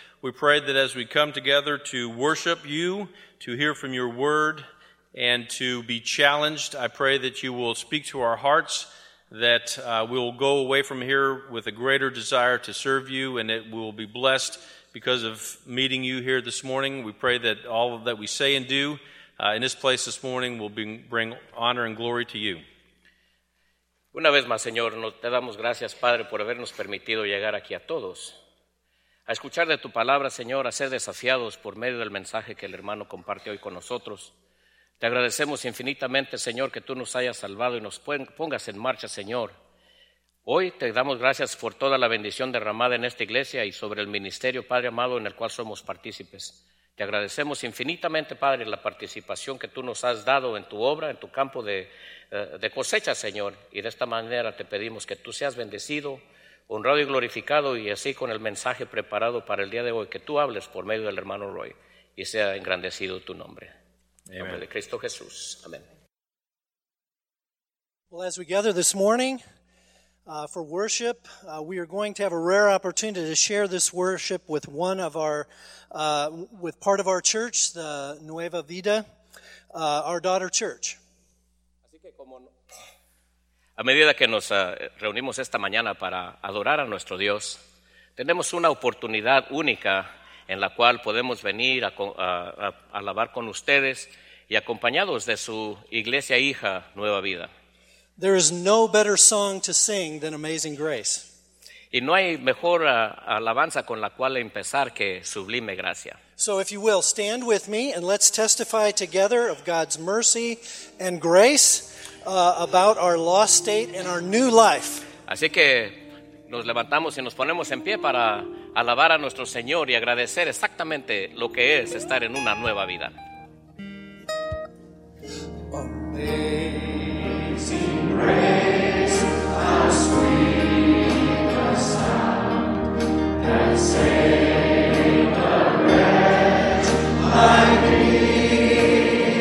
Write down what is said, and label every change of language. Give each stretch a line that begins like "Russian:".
English: We pray that as we come together to worship you, to hear from your word, and to be challenged, I pray that you will speak to our hearts, that we will go away from here with a greater desire to serve you, and that we will be blessed because of meeting you here this morning. We pray that all that we say and do in this place this morning will bring honor and glory to you.
Spanish: Una vez más, Señor, te damos gracias, Padre, por habernos permitido llegar aquí a todos. A escuchar de tu palabra, Señor, a ser desafiados por medio del mensaje que el hermano comparte hoy con nosotros. Te agradecemos infinitamente, Señor, que tú nos hayas salvado y nos pongas en marcha, Señor. Hoy te damos gracias por toda la bendición derramada en esta iglesia y sobre el ministerio, Padre amado, en el cual somos partícipes. Te agradecemos infinitamente, Padre, la participación que tú nos has dado en tu obra, en tu campo de cosecha, Señor. Y de esta manera te pedimos que tú seas bendecido, honrado y glorificado, y así con el mensaje preparado para el día de hoy, que tú hables por medio del hermano Roy y sea engrandecido tu nombre.
English: Amen.
Spanish: En nombre de Cristo Jesús. Amén.
English: Well, as we gather this morning for worship, we are going to have a rare opportunity to share this worship with one of our, with part of our church, the Nueva Vida, our daughter church.
Spanish: Así que como a medida que nos reunimos esta mañana para adorar a nuestro Dios, tenemos una oportunidad única en la cual podemos venir a alabar con ustedes y acompañados de su iglesia hija, Nueva Vida.
English: There is no better song to sing than Amazing Grace.
Spanish: Y no hay mejor alabanza con la cual empezar que Sublime Gracia.
English: So if you will, stand with me and let's testify together of God's mercy and grace about our lost state and our new life.
Spanish: Así que nos levantamos y nos ponemos en pie para alabar a nuestro Señor y agradecer exactamente lo que es estar en una nueva vida.
English: Amazing grace, how sweet the sound that saved a wretch like me.